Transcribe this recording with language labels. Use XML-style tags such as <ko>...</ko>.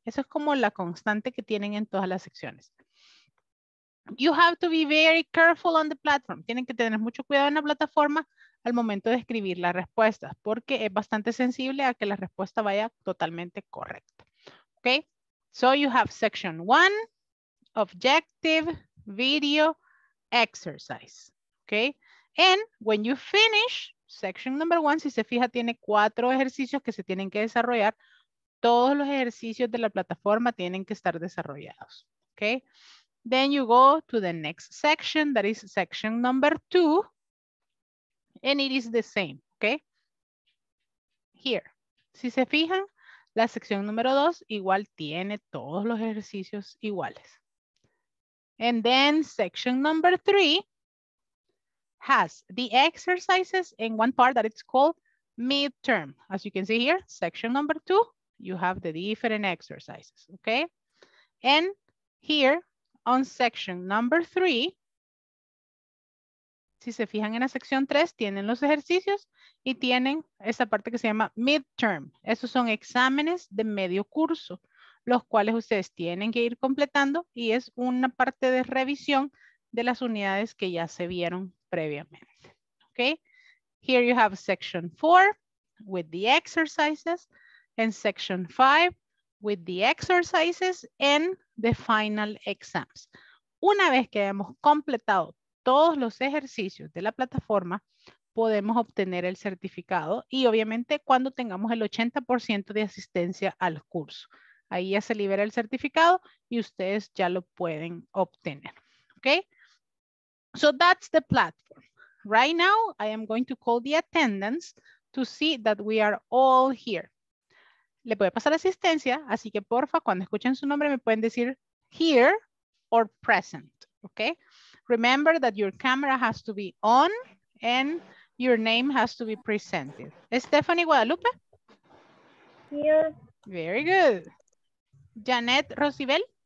<es>Eso es como la constante que tienen en todas las secciones.</es> <en>You have to be very careful on the platform.</en> <es>Tienen que tener mucho cuidado en la plataforma al momento de escribir las respuestas, porque es bastante sensible a que la respuesta vaya totalmente correcta. ¿Ok?</es> <en>So you have section one, objective, video, exercise.</en> <es>¿Ok?</es> <en>And when you finish section number one,</en> <es>si se fija, tiene cuatro ejercicios que se tienen que desarrollar. Todos los ejercicios de la plataforma tienen que estar desarrollados. ¿Ok?</es> <en>Then you go to the next section, that is section number two. And it is the same, okay?</en> <es>Here, si se fijan, la sección número dos igual tiene todos los ejercicios iguales.</es> <en>And then section number three has the exercises in one part that it's called midterm. As you can see here, section number two, you have the different exercises, okay? And here on section number three,</en> <es>si se fijan en la sección 3, tienen los ejercicios y tienen esa parte que se llama midterm. Esos son exámenes de medio curso, los cuales ustedes tienen que ir completando y es una parte de revisión de las unidades que ya se vieron previamente. Okay?</es> <en>Here you have section 4 with the exercises and section 5 with the exercises and the final exams.</en> <es>Una vez que hemos completado todos los ejercicios de la plataforma, podemos obtener el certificado y obviamente cuando tengamos el 80% de asistencia al curso. Ahí ya se libera el certificado y ustedes ya lo pueden obtener.</es> <en>Okay? So that's the platform. Right now, I am going to call the attendance to see that we are all here.</en> <es>Le puede pasar asistencia, así que porfa, cuando escuchen su nombre me pueden decir</es> <en>here or present. Okay? Remember that your camera has to be on and your name has to be presented. Stephanie Guadalupe? Here. Very good. Janet Rocibel?</en>